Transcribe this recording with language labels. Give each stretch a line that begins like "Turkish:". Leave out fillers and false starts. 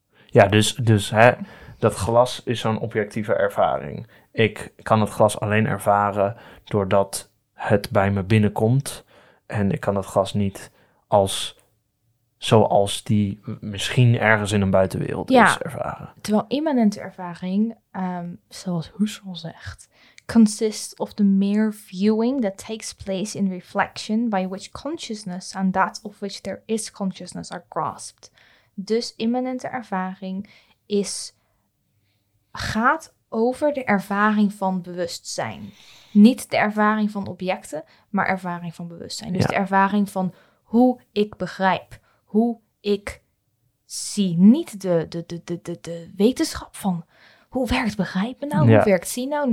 Dutch: Ja, dus hè... Dat glas is zo'n objectieve ervaring. Ik kan het glas alleen ervaren doordat het bij me binnenkomt. En ik kan dat glas niet als zoals die misschien ergens in een buitenwereld ja, is ervaren. Terwijl immanente ervaring, zoals Husserl zegt,
English: consists of the mere viewing that takes place in reflection by which consciousness and that of which there is consciousness are grasped.
Dutch: Dus immanente ervaring is... gaat over de ervaring van bewustzijn. Niet de ervaring van objecten, maar ervaring van bewustzijn. Dus ja. De ervaring van hoe ik begrijp, hoe ik zie. Niet de wetenschap van hoe werkt begrijpen nou, hoe werkt zien nou.